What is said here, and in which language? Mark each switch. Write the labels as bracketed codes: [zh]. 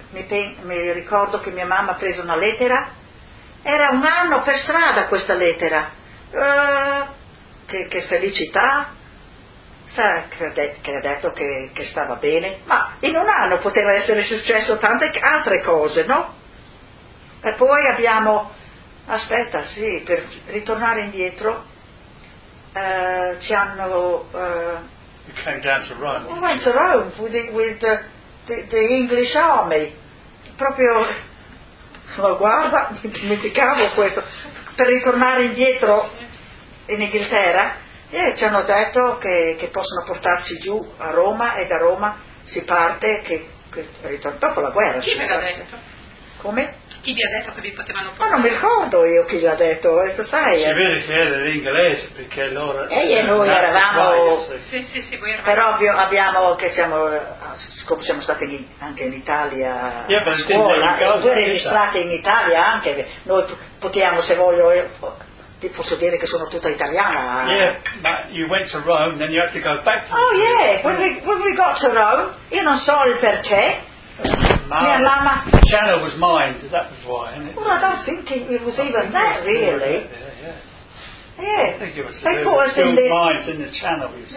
[it] Mi ricordo che mia mamma ha preso una lettera, era un anno per strada questa lettera, che felicità, sai, che ha detto che stava bene, ma in un anno poteva essere successo tante altre cose, no? E poi abbiamo, aspetta, sì, per ritornare indietro, ci hanno... [en] You came down to Rome. We went to Rome with the English Army. [it] Proprio, ma guarda, mi dimenticavo questo, per ritornare indietro in Inghilterra, e ci hanno detto che possono portarci giù a Roma e da Roma si parte, che ritorno, dopo la guerra. Chi ve l'ha detto? Come? Chi vi ha detto che vi potevano portare? Ma non mi ricordo io chi l'ha detto, questo sai. Si vede che era l'inglese, perché allora... E noi eravamo... Sì, voi eravamo... Però abbiamo, che siamo stati anche in Italia a scuola, voi registrati in Italia anche, noi potevamo, se voglio, io ti posso dire che sono tutta italiana. [en] Yeah, but you went to Rome, then you had to go back to... Oh yeah, when we got to Rome, [it] io non so il perché... Mia mamma. [en] The channel was mined, that was why, isn't it? Well, I don't think it was even that, really. Yeah. I think it was still mined in the channel, you see.